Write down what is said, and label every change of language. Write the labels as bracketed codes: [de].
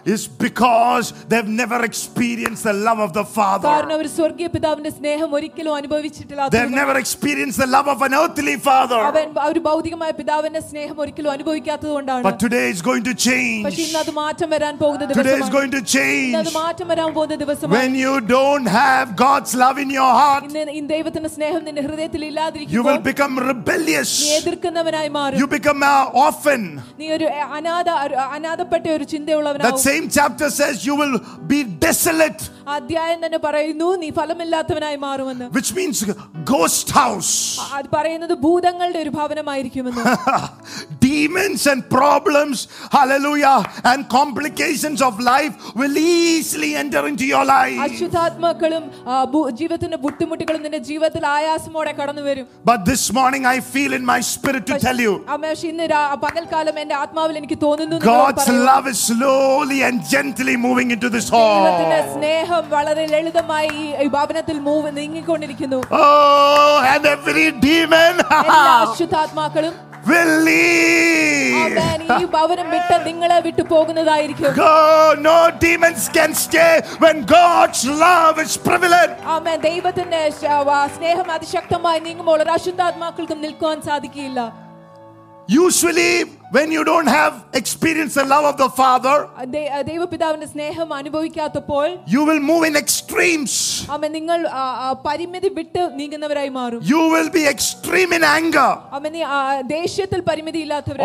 [en] is because they've never experienced the love of the Father. [ml] കാരണം അവർ സ്വർഗീയ പിതാവിന്റെ സ്നേഹം ഒരിക്കലും അനുഭവിച്ചിട്ടില്ലാത്തത്. [en] They've never experienced the love of an earthly father. [ml] അവർ ഒരു ഭൗതികമായ പിതാവിന്റെ സ്നേഹം ഒരിക്കലും അനുഭവിക്കാത്തതുകൊണ്ടാണ്. [en] But today is going to change. [ml] പക്ഷേ ഇന്ന് അത് മാറ്റം വരാൻ പോകുന്ന ദിവസമാണ്. [en] Today is going to change. [ml] ഇന്ന് അത് മാറ്റം വരാൻ പോകുന്ന ദിവസമാണ്. [en] When you don't have God's love in your heart, [ml] ഇന്ന് ദൈവത്തിന്റെ സ്നേഹം നിന്റെ ഹൃദയത്തിൽ ഇല്ലാതിരിക്കുമ്പോൾ, [en] you will become rebellious. [ml] നീ എതിർക്കുന്നവനായി മാറും. [en] You become an orphan. [ml] നീ ഒരു അനാഥപ്പെട്ട ഒരു ചിന്തയുള്ളവനാകും. [en] That same chapter says you will be desolate. [ml] അധ്യായം തന്നെ പറയുന്നു നീ ഫലമില്ലാത്തവനായി മാറുമെന്ന്. [en] Which means ghost house. [ml] അത് പറയുന്നത് ഭൂതങ്ങളുടെ ഒരു ഭവനമായിരിക്കുമെന്ന്. [en] Demons and problems, hallelujah, and complications of life will easily enter into your life. [ml] അശുദ്ധാത്മാക്കളും ജീവിതത്തിന്റെ ബുദ്ധിമുട്ടുകളും നിന്റെ ജീവിതത്തിൽ ആയാസമോടെ കടന്നു വരും. [en] But this morning I feel in my spirit to tell you, [ml] പകൽക്കാലം എന്റെ ആത്മാവിൽ എനിക്ക് തോന്നുന്നു, [en] God's love is slowly and gently moving into this hall. [ml] വളരെ ലളിതമായി ഈ ഭവനത്തിൽ move നീങ്ങിക്കൊണ്ടിരിക്കുന്നു. [en] Oh, and every demon, [ml] അശുദ്ധാത്മാക്കളും [en] will leave. [ml] ഈ ഭവനം വിട്ട് നിങ്ങളെ വിട്ടു പോകുന്നതായിരിക്കും. [en] No demons can stay when God's love is prevalent. [ml] ആമേൻ. ദൈവത്തിന്റെ സ്നേഹം അതിശക്തമായി നീങ്ങുമ്പോൾ അശുദ്ധാത്മാക്കൾക്കും നിൽക്കുവാൻ സാധിക്കില്ല. [en] Usually when you don't have experienced the love of the Father, [ml] deva pidavinte sneham anubhavikkathappol, [en] you will move in extremes. [ml] Amma ningal parimithi vittu neenginavarai maarum. [en] You will be extreme in anger. [ml] Amma nee deshyathil parimithi illathavar.